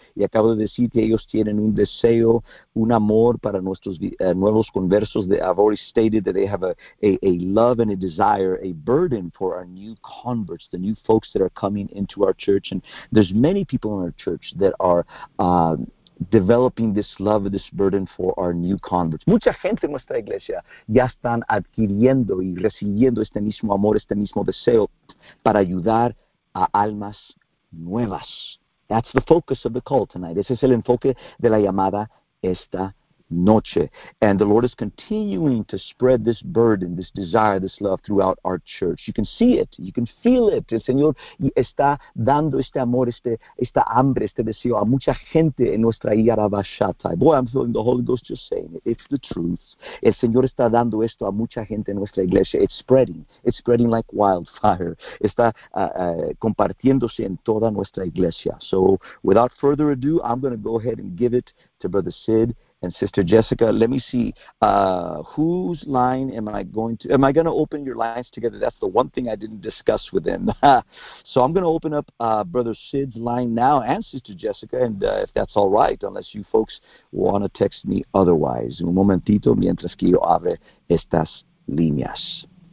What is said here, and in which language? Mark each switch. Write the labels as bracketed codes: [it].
[es] Y acabo de decir que ellos tienen un deseo, un amor para nuestros nuevos conversos. [en] I've already stated that they have a love and a desire, a burden for our new converts, the new folks that are coming into our church. And there's many people in our church that are developing this love, this burden for our new converts. [es] Mucha gente en nuestra iglesia ya están adquiriendo y recibiendo este mismo amor, este mismo deseo para ayudar a almas nuevas. [en] That's the focus of the call tonight. [es] Ese es el enfoque de la llamada esta noche. [en] And the Lord is continuing to spread this burden, this desire, this love throughout our church. You can see it. You can feel it. [es] El Señor está dando este amor, esta hambre, este deseo a mucha gente en nuestra Yarabashatai. [en] Boy, I'm feeling the Holy Ghost just saying it. It's the truth. [es] El Señor está dando esto a mucha gente en nuestra iglesia. [en] It's spreading. It's spreading like wildfire. [es] Está compartiéndose en toda nuestra iglesia. [en] So without further ado, I'm going to go ahead and give it to Brother Sid and Sister Jessica. Let me see, whose line am I going to open your lines together? That's the one thing I didn't discuss with them. So I'm going to open up Brother Sid's line now and Sister Jessica, and if that's all right, unless you folks want to text me otherwise. [es] Un momentito mientras que yo abre estas líneas.